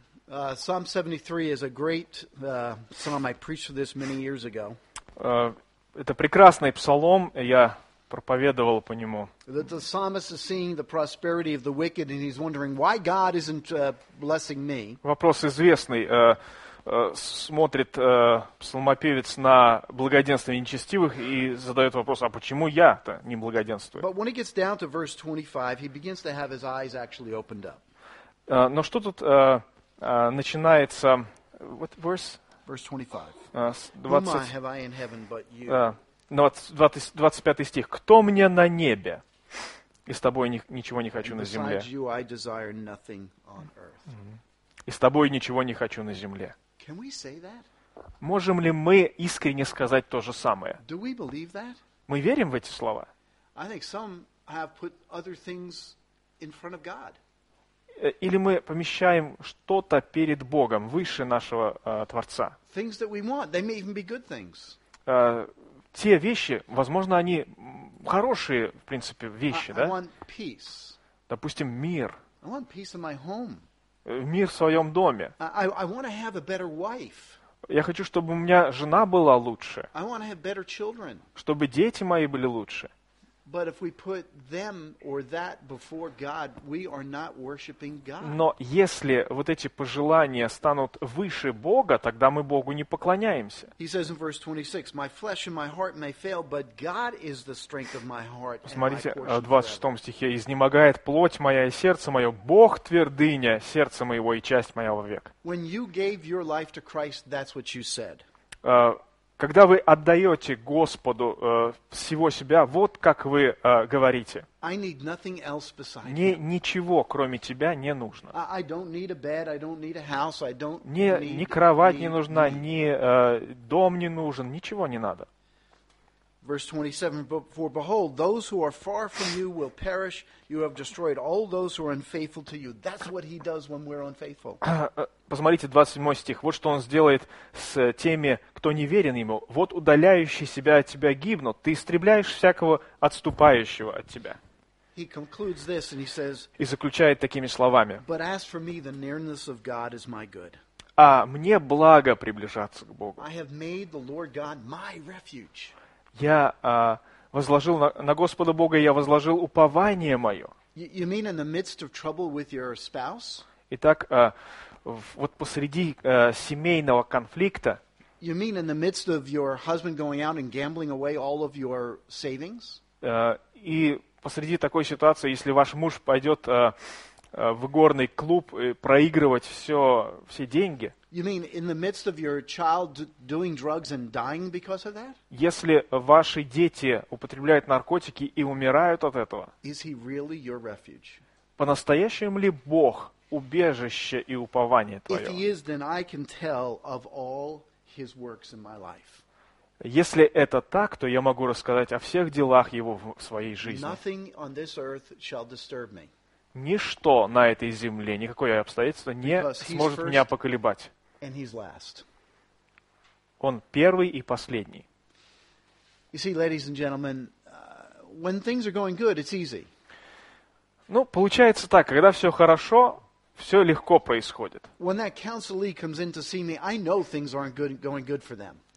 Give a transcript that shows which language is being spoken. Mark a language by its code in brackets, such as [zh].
[en] Psalm 73 is a great psalm. I preached this many years ago. [ru] Это прекрасный псалом. Я проповедовал по нему. [en] That the psalmist is seeing the prosperity of the wicked and he's wondering why God isn't blessing me. [ru] Вопрос известный. Смотрит псалмопевец на благоденствие нечестивых и задает вопрос, а почему я-то не благоденствую? [en] But when he gets down to verse 25, he begins to have his eyes actually opened up. [ru] Но что тут начинается? [en] What verse? Verse 25. Whom have I in heaven but you? [ru] 25 стих. Кто мне на небе? И с тобой ничего не хочу на земле. [en] Besides you, I desire nothing on earth. [ru] И с тобой ничего не хочу на земле. [en] Can we say that? [ru] Можем ли мы искренне сказать то же самое? [en] Do we believe that? [ru] Мы верим в эти слова? [en] I think some have put other things in front of God. [ru] Или мы помещаем что-то перед Богом, выше нашего Творца? [en] Things that we want, they may even be good things. [ru] Те вещи, возможно, они хорошие, в принципе, вещи, да? [en] I want peace. [ru] Допустим, мир. [en] I want peace in my home. [ru] Мир в своем доме. [en] I want to have a better wife. [ru] Я хочу, чтобы у меня жена была лучше. [en] I want to have better children. [ru] Чтобы дети мои были лучше. [en] But if we put them or that before God, we are not worshiping God. [ru] Но если вот эти пожелания станут выше Бога, тогда мы Богу не поклоняемся. [en] He says in verse 26, my flesh and my heart may fail, but God is the strength of my heart. [ru] Посмотрите, в 26 стихе, изнемогает плоть моя и сердце мое, Бог твердыня сердца моего и часть моя вовек. [en] When you gave your life to Christ, that's what you said. [ru] Когда вы отдаете Господу всего себя, вот как вы говорите. Мне ничего, кроме тебя, не нужно. Ни кровать не нужна, ни дом не нужен, ничего не надо. [en] Verse 27, for behold, those who are far from you will perish. You have destroyed all those who are unfaithful to you. That's what he does when we're unfaithful. [ru] Посмотрите, 27 стих. Вот что он сделает с теми, кто не верен ему. Вот удаляющие себя от тебя гибнут. Ты истребляешь всякого отступающего от тебя. [en] He concludes this and he says, [ru] и заключает такими словами. [en] But as for me, the nearness of God is my good. [ru] А мне благо приближаться к Богу. [en] I have made the Lord God my refuge. [ru] Я возложил на Господа Бога, я возложил упование мое. [en] You mean in the midst of trouble with your spouse? [ru] Итак, вот посреди семейного конфликта. [en] You mean in the midst of your husband going out and gambling away all of your savings? [ru] И посреди такой ситуации, если ваш муж пойдет в игорный клуб и проигрывать все деньги. [en] You mean in the midst of your child doing drugs and dying because of that? [ru] Если ваши дети употребляют наркотики и умирают от этого, [en] is he really your refuge? [ru] По-настоящему ли Бог убежище и упование твое? [en] If he is, then I can tell of all his works in my life. [ru] Если это так, то я могу рассказать о всех делах его в своей жизни. [en] Nothing on this earth shall disturb me. [ru] Ничто на этой земле, никакое обстоятельство не сможет меня поколебать. Он первый и последний. [en] See, ladies and gentlemen, when things are going good, it's easy. [ru] Ну, получается так, когда все хорошо, все легко происходит. [en] When that counselee comes in to see me, I know things aren't going good for them.